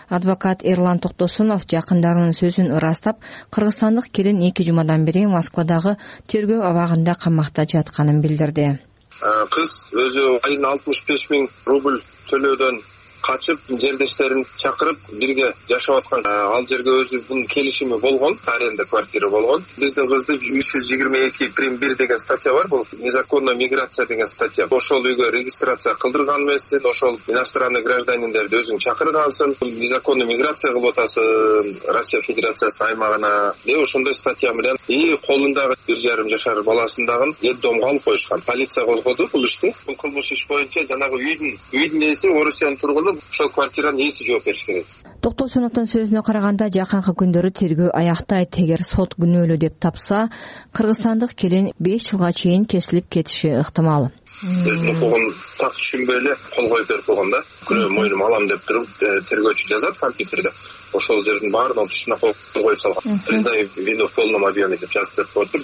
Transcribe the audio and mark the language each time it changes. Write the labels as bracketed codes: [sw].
[ky] Адвокат Эрлан Токтосунов жакындарынын сөзүн ырастап, кыргызстандык келин 2 жумадан бери Москвадагы тергөө абагында камакта жатканын билдирди. Кыз өзү айына 65 000 рубль төлөөдөн качып, жердештерин чакырып бирге жашап аткан. Ал жерге өзүнүн келишими болгон, аренда квартира болгон. Биздин кызды 322.1 деген статья бар, бул [ru] незаконная миграция [ky] деген статья. Ошол үйгө регистрация кылдырган эмессин, ошол [ru] иностранный [ky] гражданиндерди өзүн чакыргансын, [ru] незаконная миграция [ky] кылып атасын Россия Федерациясынын аймагына деп ошондой статья менен колундагы 1,5 жашар баласын дагы детдомго алып коюшкан. Полиция козгоду бул ишти. Бул кылмыш иш боюнча жанагы үйдүн ээси орусиянын тургун, ошол квартиранын ээси жооп бериш керек. Токтосуновдун сөзүнө караганда, жакынкы күндөрү тергөө аяктайт. Эгер сот күнөөлүү деп тапса, кыргызстандык келин 5 жылга чейин кесилип кетиши ыктымал. Өзүнүн укугун так түшүнбөй эле кол коюп берип койгон да. Күнөө мойнум алам деп туруп тергөөчү жазат компьютерде. Ошол жердин баарын ал тушуна кол коюп салган. [ru] Признаю вину в полном объеме [ky] деп жазып берип коюптур.